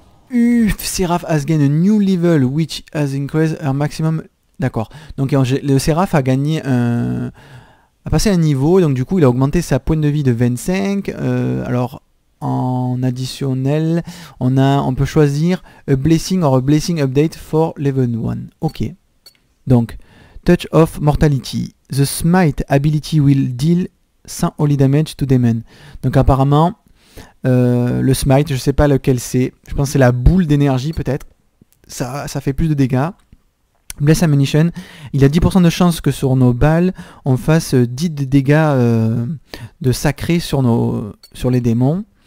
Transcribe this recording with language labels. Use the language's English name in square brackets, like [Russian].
[English] Uff, Seraph has gained a new level which has increased her maximum. [French] D'accord. Donc le Seraph a gagné un. A passé un niveau, donc du coup il a augmenté sa pointe de vie de 25. Alors. En additionnel, on peut choisir [English] a blessing or a blessing update for level 1. [French] Ok. Donc, touch of mortality. [English] The smite ability will deal 100 holy damage to demon. [French] Donc apparemment, le smite, je sais pas lequel c'est. Je pense que c'est la boule d'énergie peut-être. Ça fait plus de dégâts. Bless ammunition. Il a 10% de chance que sur nos balles, on fasse 10 de dégâts de sacré sur, nos, sur les démons.